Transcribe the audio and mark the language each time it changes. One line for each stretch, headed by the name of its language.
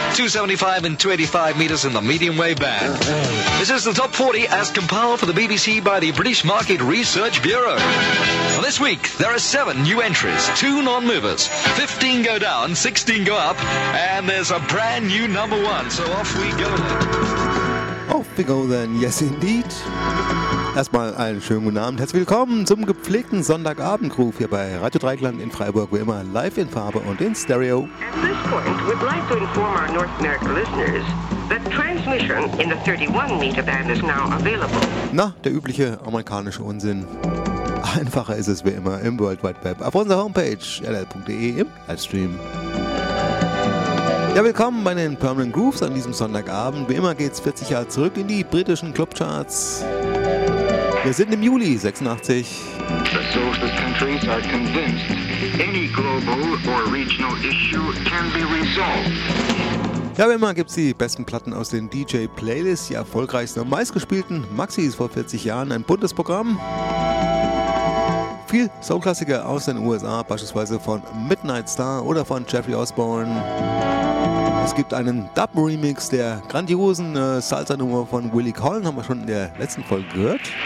English: 275 and 285 metres in the medium wave band. This is the Top 40 as compiled for the BBC by the British Market Research Bureau. Well, this week, there are 7 new entries, 2 non-movers, 15 go down, 16 go up, and there's a brand new number 1. So off we go now. Off we go then, yes indeed.
German: Erstmal einen schönen guten Abend. Herzlich willkommen zum gepflegten Sonntagabendgruf hier bei Radio Dreiklang in Freiburg, wie immer live in Farbe und in Stereo.
English: At this point, we'd like to inform our North American listeners that transmission in the 31-meter band is now available.
German: Na, der übliche amerikanische Unsinn. Einfacher ist es wie immer im World Wide Web auf unserer Homepage ll.de im Livestream. Ja, willkommen bei den Permanent Grooves an diesem Sonntagabend. Wie immer geht's 40 Jahre zurück in die britischen Clubcharts. Wir sind im Juli 86.
English: The socialist countries are convinced any global or regional issue can be resolved.
German: Ja, wie immer gibt's die besten Platten aus den DJ-Playlists, die erfolgreichsten und meistgespielten Maxis vor 40 Jahren, ein buntes Programm. Viel Soul-Klassiker aus den USA, beispielsweise von Midnight Star oder von Jeffrey Osborne. Es gibt einen Dub-Remix der grandiosen Salsa-Nummer von Willie Colon, haben wir schon in der letzten Folge gehört.